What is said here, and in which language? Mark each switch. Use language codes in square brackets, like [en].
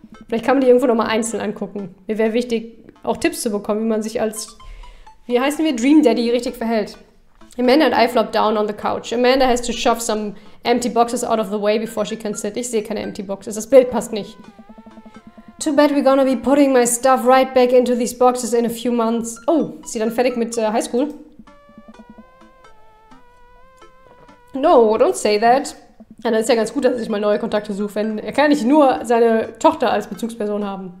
[de] Vielleicht kann man die irgendwo nochmal einzeln angucken. Mir wäre wichtig, auch Tipps zu bekommen, wie man sich als, wie heißen wir, Dream Daddy richtig verhält. [en] Amanda and I flop down on the couch. Amanda has to shove some empty boxes out of the way before she can sit. [de] Ich sehe keine empty boxes. Das Bild passt nicht. [en] Too bad we're gonna be putting my stuff right back into these boxes in a few months. [de] Oh, ist sie dann fertig mit High School? [en] No, don't say that. [de] Ja, dann ist ja ganz gut, dass ich mal neue Kontakte suche, wenn er kann nicht nur seine Tochter als Bezugsperson haben.